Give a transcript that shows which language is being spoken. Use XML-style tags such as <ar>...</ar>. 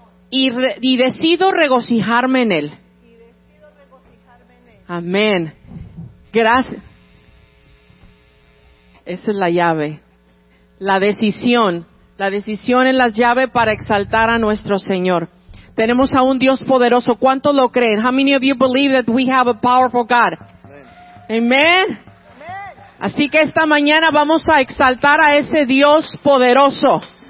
<es>Y decido regocijarme en Él. Amén. Gracias. Esa es la llave. La decisión es la llave para exaltar a nuestro Señor. Tenemos a un Dios poderoso. ¿Cuántos lo creen?</es> <en>How many of you believe that we have a powerful God? Amen. Amen.</en> <es>Así que esta mañana vamos a exaltar a ese Dios poderoso.</es>